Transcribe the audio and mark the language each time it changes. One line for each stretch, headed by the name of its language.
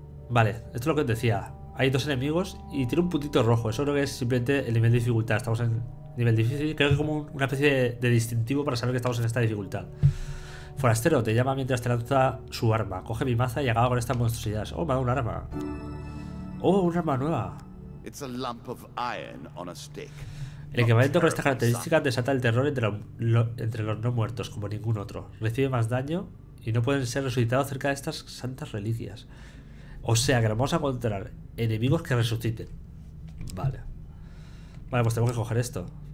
Spanish: Vale, esto es lo que os decía. Hay dos enemigos y tiene un puntito rojo. Eso creo que es simplemente el nivel de dificultad. Estamos en nivel difícil. Creo que es como una especie de distintivo para saber que estamos en esta dificultad. Forastero, te llama mientras te lanza su arma. Coge mi maza y acaba con estas monstruosidades. Oh, me ha dado un arma. Oh, un arma nueva.
English: It's a lump of iron on a stick.
Spanish: El equipamiento con estas características desata el terror entre los no muertos, como ningún otro. Recibe más daño y no pueden ser resucitados cerca de estas santas reliquias. O sea que nos vamos a encontrar enemigos que resuciten. Vale. Vale, pues tengo que coger esto.